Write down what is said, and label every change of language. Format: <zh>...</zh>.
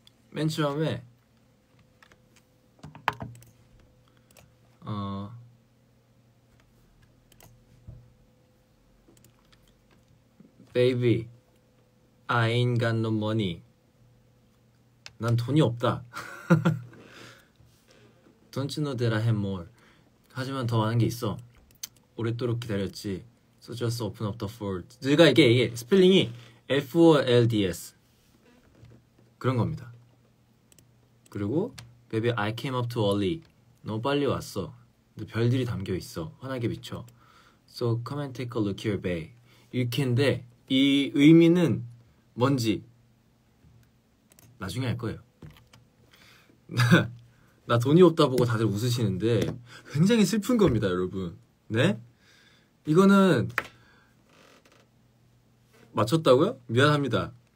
<ko>맨 처음에</ko> <en>Baby, I ain't got no money.</en> <ko>난 돈이 없다.</ko> <en>Don't you know that I have more.</en> <ko>하지만 더 많은 게 있어. 오랫도록 기다렸지.</ko> <en>So just open up the fold.</en> <ko>내가 이게 스펠링이 F-O-L-D-S 그런 겁니다. 그리고</ko> <en>Baby, I came up too early.</en> <ko>너무 빨리 왔어. 근데 별들이 담겨있어. 환하게 비춰.</ko> <en>So come and take a look here, babe.</en> <ko>이렇게인데 이 의미는 뭔지 나중에 알 거예요. 나 돈이 없다 보고 다들 웃으시는데 굉장히 슬픈 겁니다, 여러분. 네? 이거는 맞췄다고요? 미안합니다.</ko>